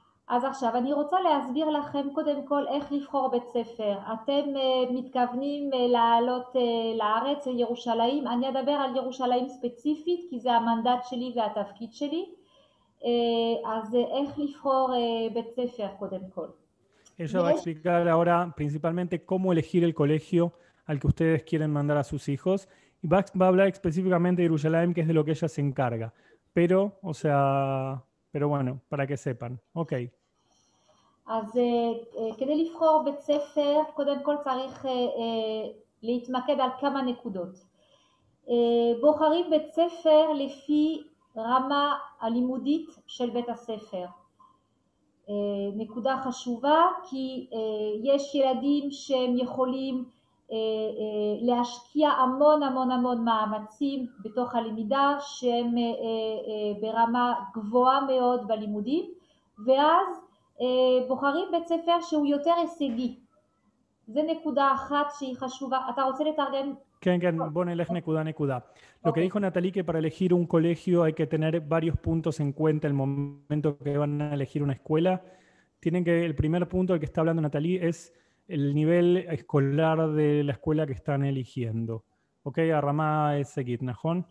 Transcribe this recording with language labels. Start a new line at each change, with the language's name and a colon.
Hebrew: אז עכשיו אני רוצה להסביר לכם קודם כל איך לבחור בית ספר. אתם מתכוונים לעלות לארץ לירושלים, אני אדבר על ירושלים ספציפית כי זה המנדט שלי והתפקיד שלי. אז איך לבחור בית ספר קודם כל.
Spanish: Ella va a explicar ahora principalmente cómo elegir el colegio al que ustedes quieren mandar a sus hijos y va a hablar específicamente de Jerusalén, que es de lo que ella se encarga. Pero, o sea, pero bueno, para que sepan. Ok.
Hebrew: אז כדי לבחור בית ספר, קודם כל צריך להתמקד על כמה נקודות. בוחרים בית ספר לפי רמה הלימודית של בית הספר. נקודה חשובה, כי יש ילדים שהם יכולים להשקיע המון המון המון מאמצים בתוך הלמידה, שהם ברמה גבוהה מאוד בלימודים, ואז בוחרים בית ספר שהוא יותר הישגי. זה נקודה אחת שהיא חשובה. אתה רוצה לתרגם? כן, כן, בוא נלך נקודה נקודה.
Spanish: Lo que dijo Natalí, que para elegir un colegio hay que tener varios puntos en cuenta el momento que van a elegir una escuela. Tienen que, el primer punto del que está hablando Natalí es el nivel escolar de la escuela que están eligiendo. Ok, Arramá es Seguit, ¿Najón?